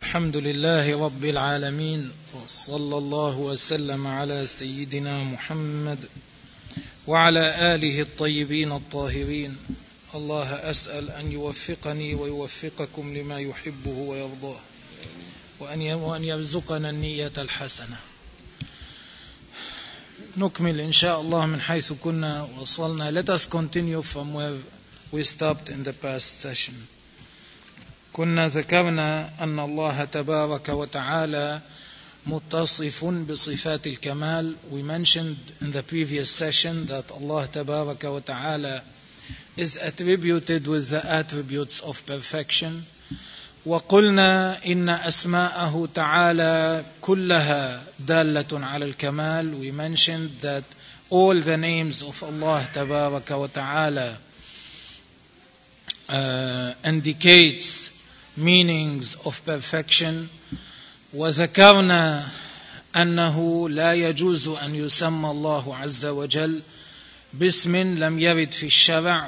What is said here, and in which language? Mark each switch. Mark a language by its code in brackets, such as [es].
[ar] الحمد لله رب العالمين وصلى الله وسلم على سيدنا محمد وعلى آله الطيبين الطاهرين. الله أسأل أن يوفقني ويوفقكم لما يحبه ويرضاه وأن يرزقنا النية الحسنة. نكمل إن شاء الله من حيث كنا وصلنا. [en] Let us continue from where we stopped in the past session. [ar] كنا ذكرنا أن الله تبارك وتعالى متصف بصفات الكمال. [en] We mentioned in the previous session that Allah [ar] تبارك وتعالى [en] is attributed with the attributes of perfection. [ar] وقلنا إن أسماءه تعالى كلها دالة على الكمال. [en] We mentioned that all the names of Allah [ar] تبارك وتعالى [en] indicates meanings of perfection. [ar] وذكرنا أنه لا يجوز أن يسمى الله عز وجل باسم لم يرد في الشرع.